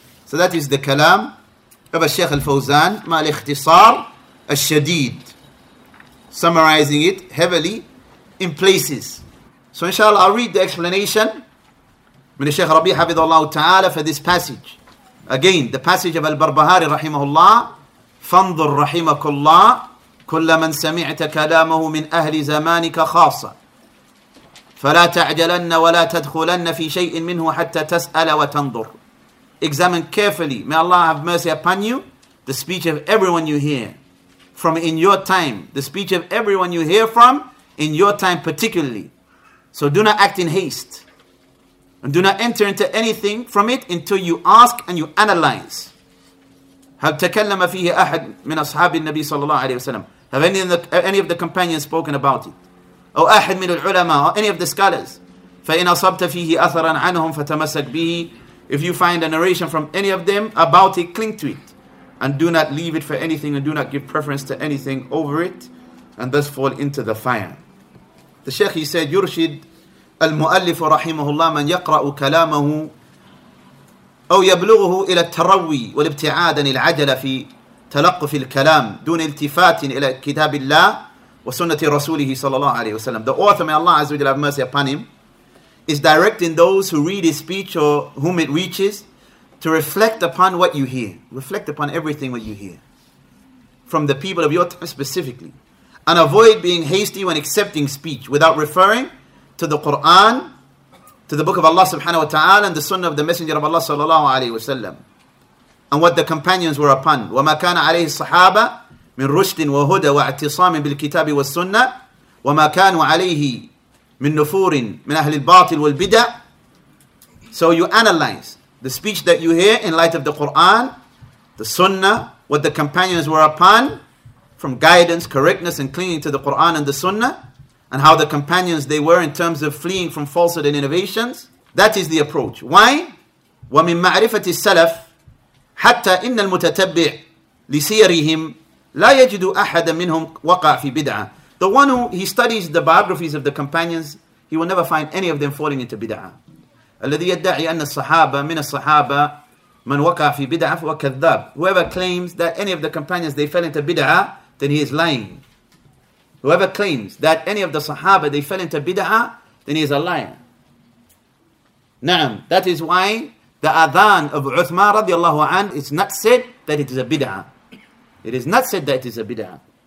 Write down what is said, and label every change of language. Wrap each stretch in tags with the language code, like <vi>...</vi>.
<en>So that is the kalam of Al-Shaykh Al-Fawzan, Ma'al-Ikhtisar Al-Shadeed, summarizing it heavily in places. So inshallah, I'll read the explanation from Al-Shaykh Rabi Hafidhullah Ta'ala for this passage. Again, the passage of Al-Barbahari Rahimahullah,</en> <ar>فَانْظُرْ رَحِمَكُ اللَّهِ كُلَّ مَنْ سَمِعْتَ كَلَامَهُ مِنْ أَهْلِ زَمَانِكَ خَاصَ فَلَا تَعْجَلَنَّ وَلَا تَدْخُلَنَّ فِي شَيْءٍ مِّنْهُ حَتَّى تَسْأَلَ وَتَنْظُرْ.</ar> <en>Examine carefully. May Allah have mercy upon you. The speech of everyone you hear from in your time. The speech of everyone you hear from in your time particularly. So do not act in haste. And do not enter into anything from it until you ask and you analyze.</en> <ar>هَلْ تَكَلَّمَ فِيهِ أَحَدٍ مِّنْ أَصْحَابِ النَّبِي صَلَى اللَّهُ عَلَيْهِ وَسَلَّمَ.</ar> <en>Have any of the companions spoken about it? Or</en> <ar>أحد من العلماء,</ar> <en>or any of the scholars.</en> <ar>فإن أصبت فيه أثرا عنهم فتمسك به.</ar> <en>If you find a narration from any of them about it, cling to it. And do not leave it for anything, and do not give preference to anything over it, and thus fall into the fire. The Shaykh, he said,</en> <ar>يرشد المؤلف رحمه الله من يقرأ كلامه أو يبلغه إلى التروي والابتعاد عن العجلة في تلقف الكلام دون التفات إلى كتاب الله وسنة رسوله صلى الله عليه وسلم.</ar> <en>The author, may Allah Azza wa Jalla have mercy upon him, is directing those who read his speech or whom it reaches to reflect upon what you hear. Reflect upon everything what you hear from the people of your time specifically. And avoid being hasty when accepting speech without referring to the Quran, to the book of Allah subhanahu wa ta'ala, and the sunnah of the Messenger of Allah صلى الله عليه وسلم, and what the companions were upon.</en> <ar>وما كان عليه الصحابة من رشد وهدى واعتصام بالكتاب والسنة وما كانوا عليه من نفور من أهل الباطل والبدع.</ar> <en>So you analyze the speech that you hear in light of the Quran, the Sunnah, what the companions were upon, from guidance, correctness, and clinging to the Quran and the Sunnah, and how the companions they were in terms of fleeing from falsehood and innovations. That is the approach. Why?</en> <ar>ومن معرفة السلف حتى إن المتتبع لسيرهم لا يجد أحد منهم وقع في بدعة.</ar> <en>The one who he studies the biographies of the companions, he will never find any of them falling into بدعة.</en> <ar>الذي يدعي أن الصحابة من الصحابة من وقع في بدعة وكذاب.</ar> <en>Whoever claims that any of the companions they fell into بدعة, then he is lying. Whoever claims that any of the صحابة they fell into بدعة, then he is a liar.</en> <ar>نعم.</ar> <en>That is why the adhan of Uthman رضي الله عنه is not said that it is a بدعة. It is not said that it is a bid'ah.</en>